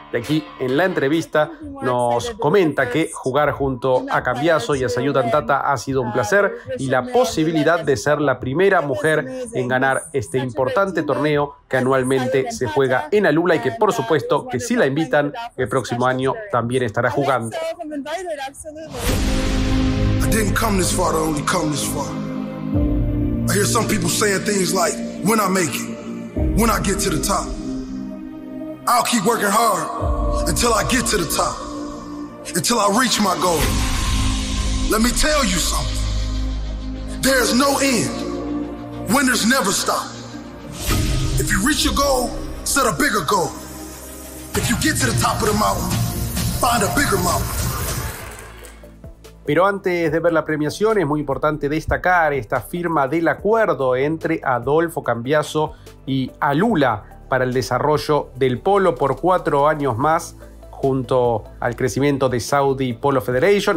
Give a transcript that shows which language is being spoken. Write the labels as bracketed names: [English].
[Spanish] Y aquí en la entrevista nos comenta que jugar junto a Cambiasso y a Sayuta Ntata ha sido un placer, y la posibilidad de ser la primera mujer en ganar este importante torneo que anualmente se juega en Alula, y que por supuesto que si la invitan el próximo año también estará jugando. [English] Didn't come this far to only come this far. I hear some people saying things like, when I make it, when I get to the top. I'll keep working hard until I get to the top, until I reach my goal. Let me tell you something. There's no end. Winners never stop. If you reach your goal, set a bigger goal. If you get to the top of the mountain, find a bigger mountain. [Spanish] Pero antes de ver la premiación, es muy importante destacar esta firma del acuerdo entre Adolfo Cambiasso y Alula para el desarrollo del polo por 4 años más, junto al crecimiento de Saudi Polo Federation.